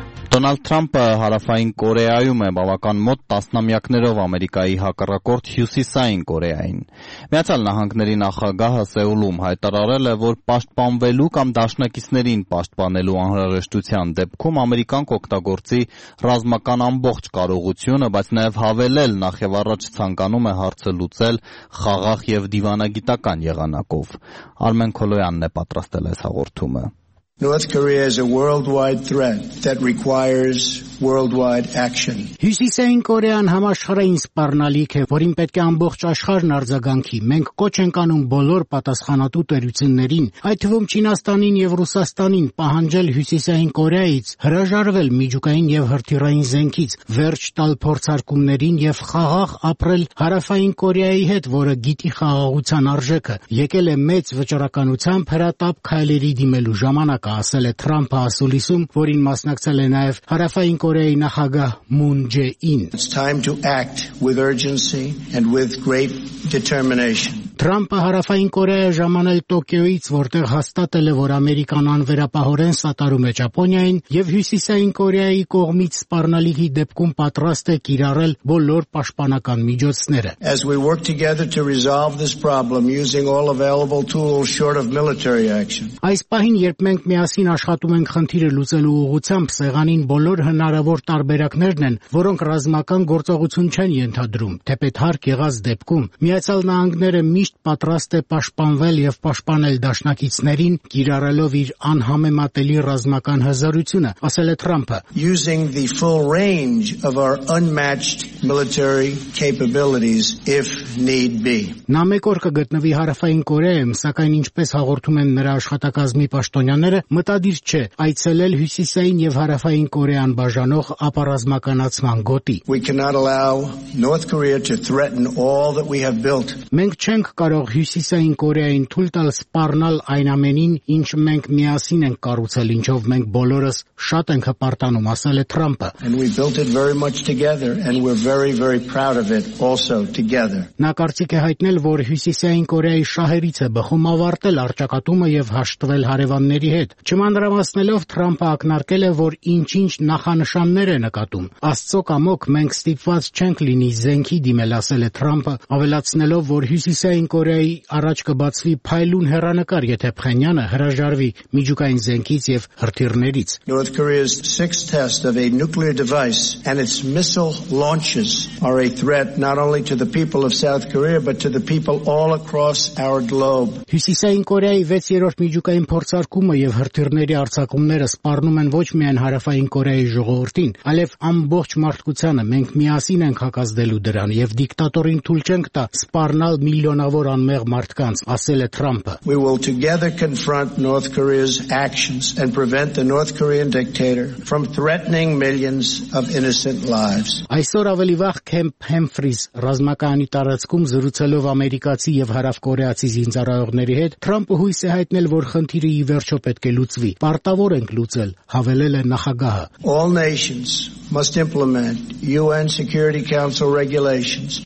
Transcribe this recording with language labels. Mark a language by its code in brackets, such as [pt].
[hy] Դոնալդ Թրամփը հարավային Կորեայում է բավական մոտ տասնամյակներով Ամերիկայի հակառակորդ Հյուսիսային Կորեային։ Միացյալ Նահանգների նախագահը Սեուլում հայտարարել է, որ պաշտպանվելու կամ դաշնակիցներին պաշտպանելու անհրաժեշտության դեպքում Ամերիկան կօգտագործի ռազմական ամբողջ կարողությունը, բայց նաև հավելել՝ նախևառաջ ցանկանում է հարցը լուծել խաղաղ և դիվանագիտական եղանակով։ Արմեն Քոլոյանն է պատրաստել այս հաղորդումը։ [en] North Korea is a worldwide threat that requires worldwide action. [hy] Հյուսիսային Կորեան համաշխարհային սպառնալիք է, որին պետք է ամբողջ աշխարհն արձագանքի։ Մենք կոչ ենք անում բոլոր պատասխանատու տերություններին, այդ թվում Չինաստանին և Ռուսաստանին, պահանջել Հյուսիսային Կորեայից հրաժարվել միջուկային և հրթիռային զենքից, վերջ տալ փորձարկումներին և խաղաղ ապրել Հարավային Կորեայի հետ, որը գիտի խաղաղության արժեքը, եկել է մեծ վճռականությամբ հրատապ քայլերի դիմելու ժամանակ, ասել է Թրամփը ասուլիսում, որին մասնակցել է նաև Հարավային Կորեայի նախագահ Մուն Ջե-ին։ [en] It's time to act with urgency and with great determination. [hy] Թրամփը Հարավային Կորեայի ժամանել Տոկիոից, որտեղ հաստատել է, որ Ամերիկան անվերապահորեն սատարում է Ճապոնիային, և Հյուսիսային Կորեայի կողմից սպառնալիքի դեպքում պատրաստ է կիրառել բոլոր պաշտպանական միջոցները։ [en] As we work together to resolve this problem using all available tools short of military action. [hy] Այս պահին, երբ մենք միասին աշխատում ենք խնդիրը լուծելու ուղղությամբ, սեղանին բոլոր հնարավոր տարբերակներն են, որոնք ռազմական գործողություն չեն ենթադրում, թեպետ հարկ եղած դեպքում Միացյալ Նահանգները միշտ պատրաստ է պաշտպանվել և պաշտպանել դաշնակիցներին, կիրառելով իր անհամեմատելի ռազմական հզորությունը, ասել է Թրամփը։ [en] Using the full range of our unmatched military capabilities if need be. [hy] Նա մեկ օր կգտնվի Հարավային Կորեայում, սակայն, ինչպես հաղորդում են նրա աշխատակազմի պաշտոնյաները, մտադիր չէ այցելել Հյուսիսային և Հարավային Կորեան բաժանող ապառազմականացման գոտի։ [en] We cannot allow North Korea to threaten all that we have built. [hy] Մենք չենք կարող Հյուսիսային Կորեային թույլ տալ սպառնալ այն ամենին, ինչ մենք միասին ենք կառուցել, ինչով մենք բոլորս շատ ենք հպարտանում, ասել է Թրամփը։ [en] And we built it very much together and we're very very proud of it also together. [hy] Նա կարծիք է հայտնել, որ Հյուսիսային Կորեայի շահերից է բխում ավարտել արճակատումը և հաշտվել հարևանների հետ։ Չմանրամասնելով, Թրամփը ակնարկել է, որ ինչ-ինչ նախանշաններ է նկատում։ Աստծո կամոք, մենք ստիպված չենք լինի զենքի դիմել, ասել է Թրամփը, ավելացնելով, որ Հյուսիսային Կորեայի առաջ կբացվի փայլուն հեռանկար, եթե Փխենյանը հրաժարվի միջուկային զենքից և հրթիռներից։ [en] North Korea's sixth test of a nuclear device and its missile launches are a threat not only to the people of South Korea but to the people all across our globe. [hy] Հյուսիսային Կորեայի 6-րդ միջուկային փորձարկումը և հրթիռների արձակումները սպառնում են ոչ միայն Հարավային Կորեայի ժողովրդին, այլև ամբողջ մարդկությանը։ Մենք միասին ենք հակազդելու դրան և դիկտատորին թույլ չենք տա սպառնալ միլիոնավոր հարկավոր անմեղ մարդկանց, ասել է Թրամփը. [en] We will together confront North Korea's actions and prevent the North Korean dictator from threatening millions of innocent lives. [hy] Այսօր ավելի վաղ Քեմփ Հեմֆրիզ ռազմականի տարածքում զրուցելով ամերիկացի եւ հարավկորեացի զինծառայողների հետ, Թրամփը հույս է հայտնել, որ խնդիրը ի վերջո պետք է լուծվի։ Պարտավոր ենք լուծել, հավելել է նախագահը։ [en] All nations must implement UN Security Council regulations.